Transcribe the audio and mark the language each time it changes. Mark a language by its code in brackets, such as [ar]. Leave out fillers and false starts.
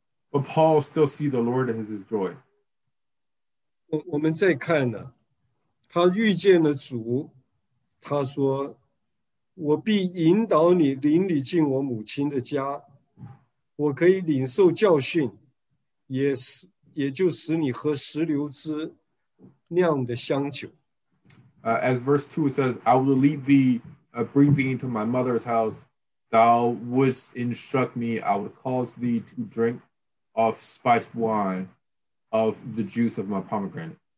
[en] But Paul still sees the Lord as his joy. [zh] 我们再看呢, 他遇见了主, 他说, 我必引导你, 领你进我母亲的家, 我可以领受教训, 也就使你喝石榴汁, 酿的香酒。 [en] As verse 2 says, I will lead thee, bring thee into my mother's house. Thou wouldst instruct me, I would cause thee to drink of spiced wine, of the juice of my pomegranate.